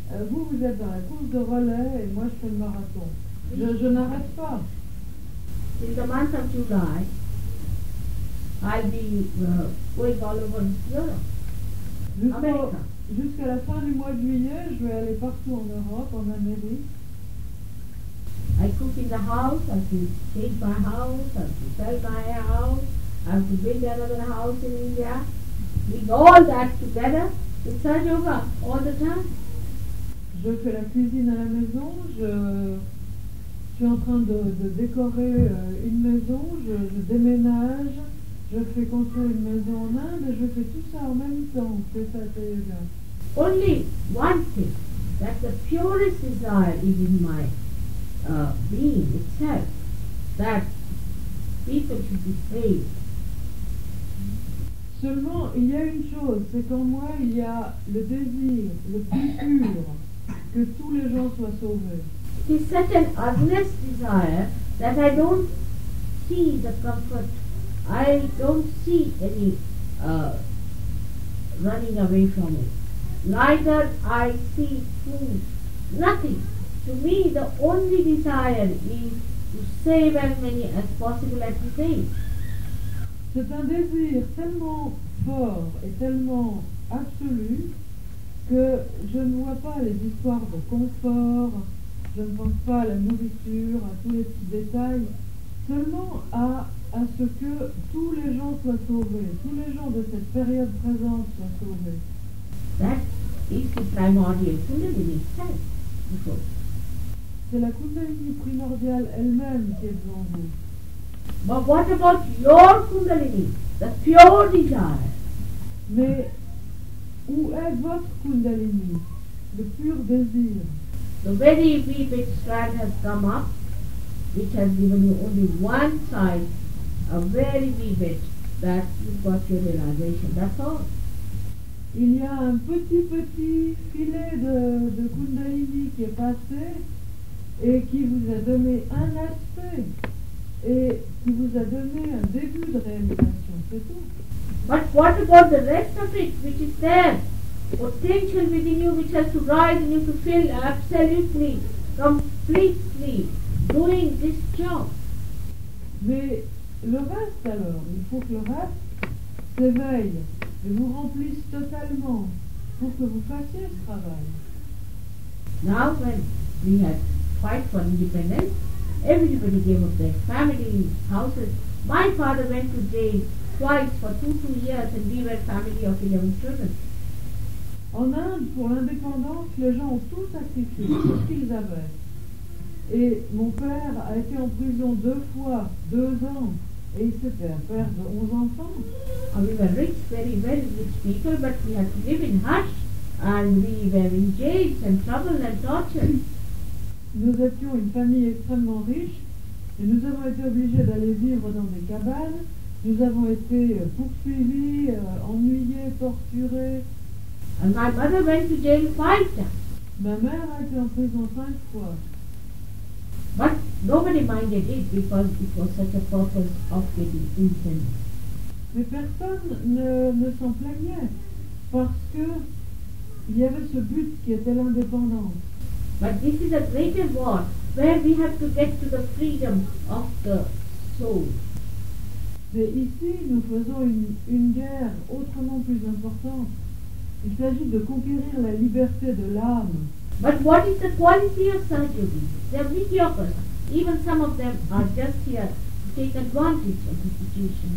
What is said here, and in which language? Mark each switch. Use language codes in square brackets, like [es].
[fr] Vous êtes dans la course de relais et moi je fais le marathon. Je n'arrête pas. [en] In the month of July, I'll be going all over Europe. [fr] Jusqu'à la fin du mois de juillet, je vais aller partout en Europe, en Amérique. [en] I cook in the house, I have to change my house, I have to sell my house, I have to build another house in India. With all that together, it's a yoga all the time. [fr] Je fais la cuisine à la maison, je suis en train de décorer une maison, je déménage, je fais construire une maison en Inde et je fais tout ça en même temps. C'est ça, c'est yoga. [en] Only one thing, that the purest desire is in my being itself, that people should be saved. [fr] Seulement, il y a une chose, c'est qu'en moi, il y a le désir le plus pur que tous les gens soient sauvés. [en] It's such an earnest desire that I don't see the comfort. I don't see any running away from it. Neither I see food, nothing. To me, the only desire is to save as many as possible at the same. [fr] C'est un désir tellement fort et tellement absolu que je ne vois pas les histoires de confort. Je ne pense pas à la nourriture, à tous les petits détails, seulement à ce que tous les gens soient sauvés, tous les gens de cette période présente soient sauvés. [en] That is the primordial kundalini itself, because [fr] c'est la kundalini primordiale elle-même qui est devant vous. [en] But what about your kundalini, the pure desire? [fr] Mais où est votre kundalini, le pur désir? [en] The very wee bit strand has come up, which has given you only one side, a very wee bit, that you've got your realization. That's all. [fr] Il y a un petit filet de kundalini qui est passé et qui vous a donné un aspect et qui vous a donné un début de réalisation. C'est tout. [en] But what about the rest of it, which is there? Potential within you which has to rise in you to feel absolutely, completely doing this job. [fr] Mais le reste alors, il faut que le reste s'éveille et vous remplisse totalement pour que vous fassiez ce travail. [en] Now when we had fight for independence, everybody gave up their families, houses. My father went to jail twice for two years and we were a family of 11 children. [fr] En Inde, pour l'indépendance, les gens ont tout sacrifié, tout ce qu'ils avaient. Et mon père a été en prison deux fois, deux ans, et il s'était un père de 11 enfants. [en] And we were rich, very, very rich people, but we had to live in hush, and we were in jail and trouble and torture. [fr] Nous étions une famille extrêmement riche, et nous avons été obligés d'aller vivre dans des cabanes. Nous avons été poursuivis, ennuyés, torturés. [en] And my mother went to jail five times. [fr] Ma mère a été en prison cinq fois. [en] But nobody minded it because it was such a purpose of getting independence. [fr] Mais personne ne s'en plaignait parce que il y avait ce but qui était l'indépendance. [en] But this is a greater war where we have to get to the freedom of the soul. [fr] Mais ici, nous faisons une guerre autrement plus importante. Il s'agit de conquérir la liberté de l'âme. [en] But what is the quality of such yogi? They are mediocre. Even some of them are just here to take advantage of the situation.